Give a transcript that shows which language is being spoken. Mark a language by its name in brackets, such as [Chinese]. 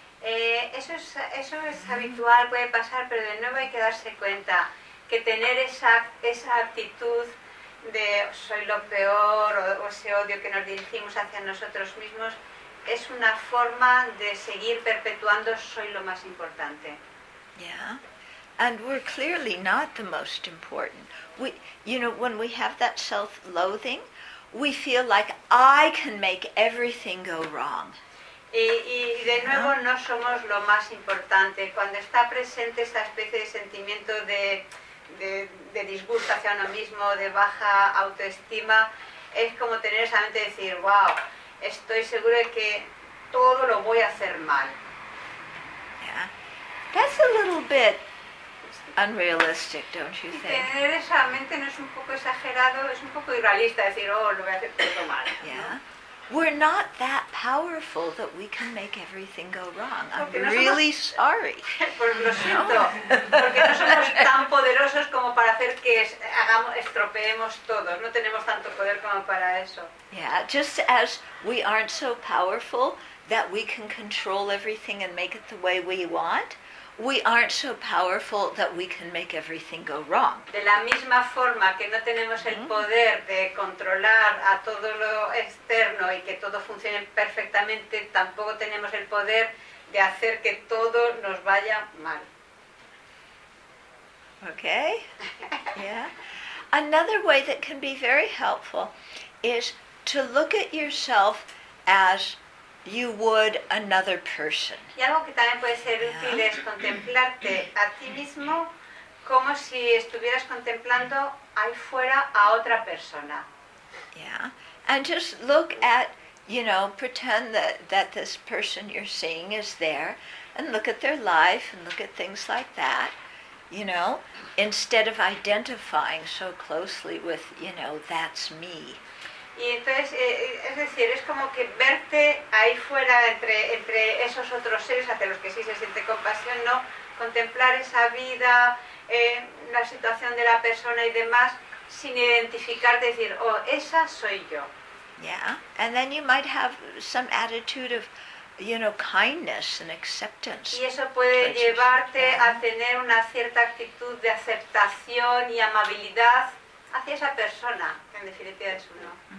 [Spanish] Eso es habitual, puede pasar, pero de nuevo hay que darse cuenta que tener esa actitud de soy lo peor o ese odio que nos dirigimos hacia nosotros mismos es una forma de seguir perpetuando soy lo más importante. [English] Yeah. And we're clearly not the most important. We, you know, when we have that self-loathing, we feel like I can make everything go wrong. [Spanish] Y de nuevo no somos lo más importante. Cuando está presente esa especie de sentimiento de disgusto hacia uno mismo, de baja autoestima, es como tener esa mente de decir, wow, estoy seguro de que todo lo voy a hacer mal. [English] Yeah. That's a little bit unrealistic, don't you think? [Spanish] Tener esa mente no es un poco exagerado, es un poco irrealista decir, oh, lo voy a hacer todo mal. [English] Yeah. We're not that powerful that we can make everything go wrong. I'm really sorry. [Spanish] Pues lo siento, porque no somos tan poderosos como para hacer que estropeemos todo. No tenemos tanto poder como para eso. [English] Yeah, just as we aren't so powerful that we can control everything and make it the way we want, we aren't so powerful that we can make everything go wrong. [Spanish] De la misma forma que no tenemos el poder de controlar a todo lo externo y que todo funcione perfectamente, tampoco tenemos el poder de hacer que todo nos vaya mal. [English] Okay? Yeah. Another way that can be very helpful is to look at yourself as you would another person. [Spanish] Y algo que también puede ser útil es contemplarte a ti mismo como si estuvieras contemplando ahí fuera a otra persona. [English] Yeah. And just look at, you know, pretend that this person you're seeing is there and look at their life and look at things like that, you know, instead of identifying so closely with, you know, that's me. [Spanish] Y entonces, es decir, es como que verte ahí fuera entre esos otros seres hacia los que sí se siente compasión, ¿no? Contemplar esa vida, la situación de la persona y demás, sin identificar, decir, oh, esa soy yo. [English] Yeah, and then you might have some attitude of, you know, kindness and acceptance. [Spanish] Y eso puede llevarte a tener una cierta actitud de aceptación y amabilidad hacia esa persona, en definitiva es uno.